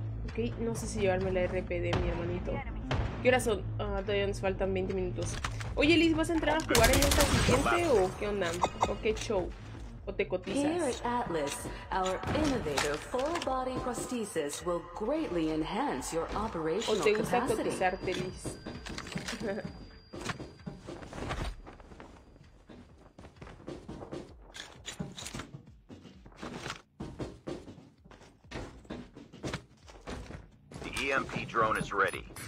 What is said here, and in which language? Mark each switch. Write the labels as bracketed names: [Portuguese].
[Spanish] Okay, no sé si llevarme la RP de mi hermanito. ¿Qué horas son? Todavía nos faltan 20 minutos. Oye, Liz, ¿vas a entrar a jugar en esta siguiente o qué onda? ¿O qué show? ¿O te cotizas? [English] Here at Atlas, our innovative full body prosthesis will greatly enhance your operational capacity. [Spanish] ¿O te gusta cotizarte, Liz? [English] The EMP drone is ready.